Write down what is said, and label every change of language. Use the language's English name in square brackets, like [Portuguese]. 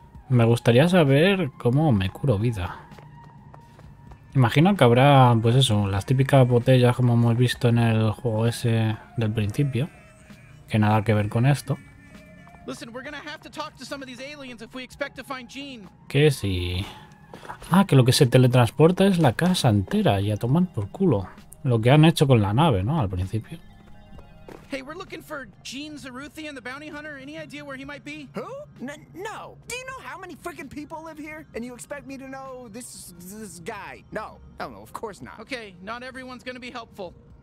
[Spanish] Me gustaría saber cómo me curo vida. Imagino que habrá, pues eso, las típicas botellas como hemos visto en el juego ese del principio. Que nada que ver con esto. [English] Listen, we're gonna have to talk to some of these aliens if we expect to find Gene. [Spanish] ¿Qué si? Ah, que lo que se teletransporta es la casa entera y a tomar por culo. Lo que han hecho con la nave, ¿no? Al principio. [English] Hey, we're looking for Gene Zaruthi and the bounty hunter. Any idea where he might be? Who? No. Do you know how many freaking people live here? And you expect me to know this guy? No. Oh, no, of course not. Okay, not everyone's gonna be helpful.